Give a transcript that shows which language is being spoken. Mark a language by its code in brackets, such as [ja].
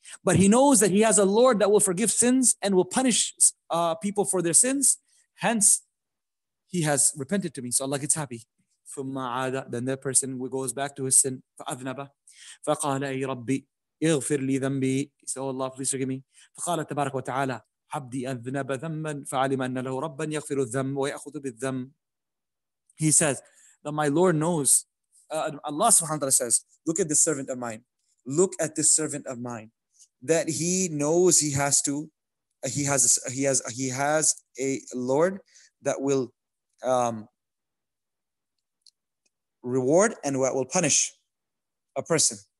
[en] But he knows that he has a Lord that will forgive sins and will punish people for their sins. Hence, he has repented to me. So Allah gets happy. Then that person goes back to his sin. [ar] فَأَذْنَبَ فَقَالَ أَيْ رَبِّي اغْفِرْ لِي ذَنْبِي. [en] He said, oh Allah, please forgive me. [ar] فَقَالَ تَبَارَكَ وَتَعَالَى عَبْدِي أَذْنَبَ ذَنْبًا فَعَلِمَ أَنَّ لَهُ رَبًّا يَغْفِرُ الذَّنْبَ وَيَأْخُذُ بِالذَّنْبِ. [en] He says that my Lord knows. Allah subhanahu wa ta'ala says, look at this servant of mine. Look at this servant of mine. That he knows he has to, he has a Lord that will reward and what will punish a person.